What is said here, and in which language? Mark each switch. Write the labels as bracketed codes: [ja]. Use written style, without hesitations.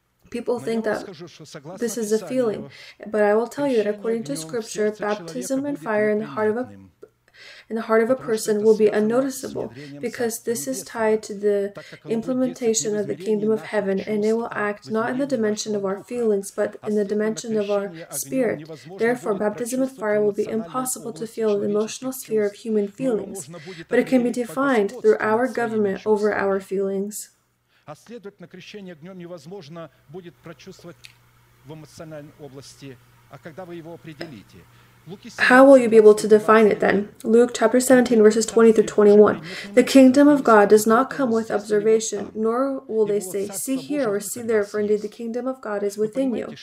[en] People think that this is a feeling, but I will tell you that according to Scripture, baptism and fire in the heart of a person will be unnoticeable, because this is tied to the implementation of the kingdom of heaven, and it will act not in the dimension of our feelings, but in the dimension of our spirit. Therefore, baptism and fire will be impossible to feel in the emotional sphere of human feelings, but it can be defined through our government over our feelings. [ru] А следовательно, крещение огнем невозможно будет прочувствовать в эмоциональной области, а когда вы его определите. [en] How will you be able to define it then? Luke chapter 17, verses 20 through 21. The kingdom of God does not come with observation, nor will they say, see here or see there, for indeed the kingdom of God is within you.